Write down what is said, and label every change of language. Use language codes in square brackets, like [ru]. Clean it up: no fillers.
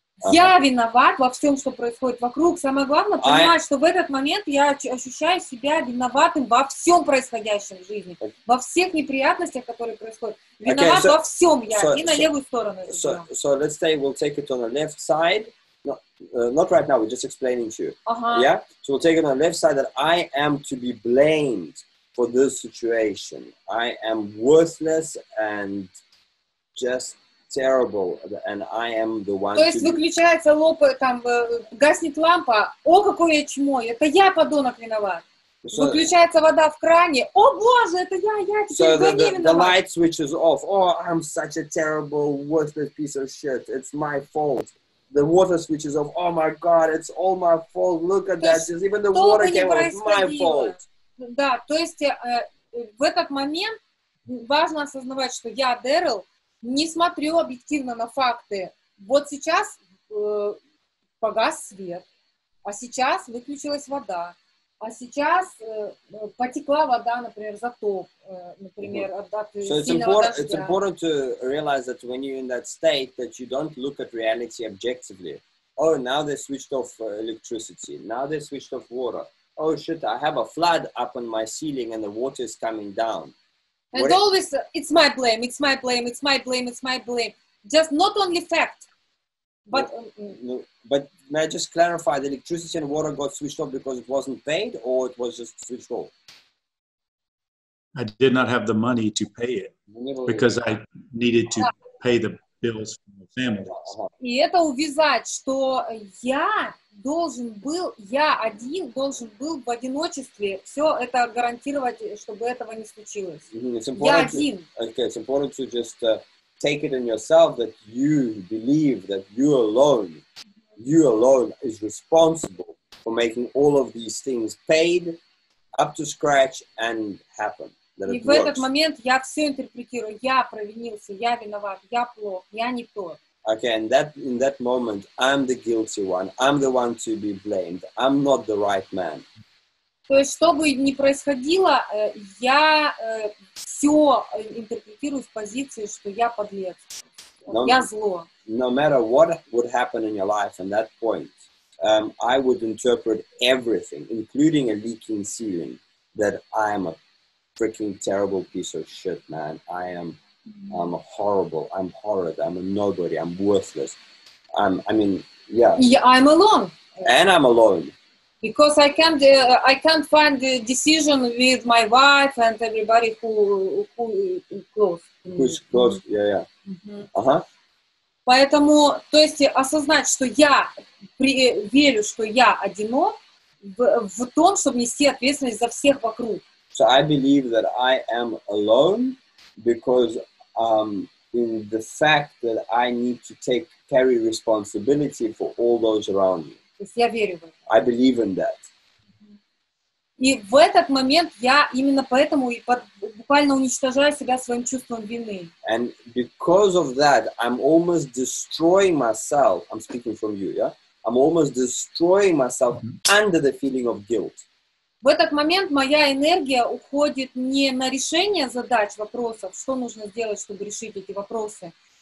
[ru] Я виноват во всем, что происходит вокруг. Самое главное, понимать, что в этот момент я ощущаю себя виноватым во всем происходящем в жизни. Во всех неприятностях, которые происходят. Виноват во всем я. И на левую сторону. [en] So let's say we'll take it on the left side. Not right now, we're just explaining to you. Uh-huh. Yeah? So we'll take it on the left side that I am to be blamed for this situation. I am worthless and just... terrible, and I am the one. [ru] То есть выключается лопа, там гаснет лампа. О, какое чмо! Это я, подонок, виноват. Выключается вода в кране. О, боже, это я теперь не виноват. [en] The light switches off. Oh, I'm such a terrible, worthless piece of shit. It's my fault. The water switches off. Oh my God, it's all my fault. Look at that. Just even the water came off. It's my fault. [ru] Да, то есть в этот момент важно осознавать, что я Дэрил. Не смотрю объективно на факты. Вот сейчас погас свет, а сейчас выключилась вода, а сейчас потекла вода, например, заток, например, от сильного дождя. [en] So it's important to realize that when you're in that state, that you don't look at reality objectively. Oh, now they switched off electricity. Now they switched off water. Oh shit, I have a flood up on my ceiling and the water is coming down. And what always, it's my blame, it's my blame, it's my blame, it's my blame. Just not only fact, but... But may I just clarify, the electricity and water got switched off because it wasn't paid, or it was just switched off? I did not have the money to pay it, because I needed to pay the bills from the family. [ru] И это увязать, что я должен был, я один должен был в одиночестве все это гарантировать, чтобы этого не случилось. Я один. [en] Okay, it's important to just take it in yourself that you believe that you alone is responsible for making all of these things paid up to scratch and happen. [ru] И в этот момент я все интерпретирую. Я провинился, я виноват, я плох, я не тот. [en] Okay, and in that moment, I'm the guilty one. I'm the one to be blamed. I'm not the right man. [ru] То есть, что бы ни происходило, я все интерпретирую в позиции, что я подлец, я зло. [en] No matter what would happen in your life at that point, I would interpret everything, including a leaking ceiling, that I am a freaking terrible piece of shit, man. I'm horrible. I'm horrid. I'm a nobody. I'm worthless. Yeah. I'm alone. And I'm alone. Because I can't find the decision with my wife and everybody who close. Who's close? Mm-hmm. Yeah. Mm-hmm. Uh-huh. [ru] Поэтому, то есть осознать, что я верю, что я одинок в том, чтобы нести ответственность за всех вокруг. [en] So I believe that I am alone because in the fact that I need to carry responsibility for all those around me. [ru] Я верю в это. [en] I believe in that. [ru] И в этот момент я именно поэтому и буквально уничтожаю себя своим чувством вины. [en] And because of that, I'm almost destroying myself. I'm speaking from you, yeah? I'm almost destroying myself under the feeling of guilt. [ru] В этот момент моя энергия уходит не на решение задач, вопросов, что нужно сделать, чтобы решить эти вопросы.